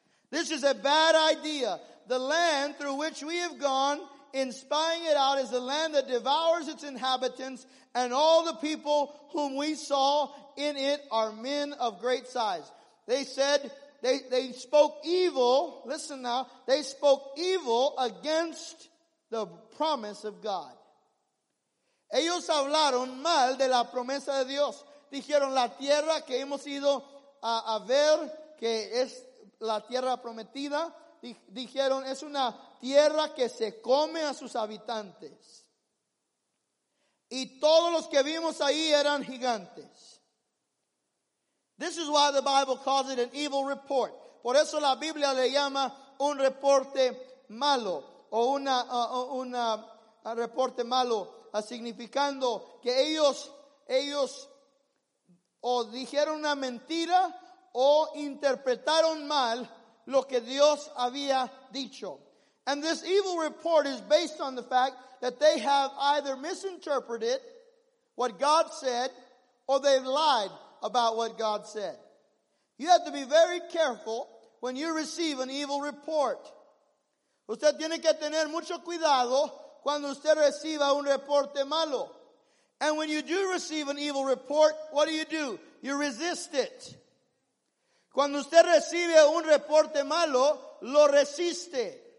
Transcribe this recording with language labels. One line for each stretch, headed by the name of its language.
English: This is a bad idea. The land through which we have gone in spying it out is a land that devours its inhabitants, and all the people whom we saw in it are men of great size. They said, they spoke evil, listen now, they spoke evil against the promise of God.
Spanish: Ellos hablaron mal de la promesa de Dios. Dijeron, la tierra que hemos ido a ver, que es la tierra prometida, dijeron, es una tierra que se come a sus habitantes. Y todos los que vimos ahí eran gigantes.
English: This is why the Bible calls it an evil report.
Spanish: Por eso la Biblia le llama un reporte malo. O un reporte malo. Significando que ellos dijeron una mentira o interpretaron mal lo que Dios había dicho.
English: And this evil report is based on the fact that they have either misinterpreted what God said or they've lied about what God said. You have to be very careful when you receive an evil report. Usted tiene que tener mucho cuidado cuando usted reciba un reporte malo. And when you do receive an evil report, what do? You resist it.
Spanish: Cuando usted recibe un reporte malo, lo resiste.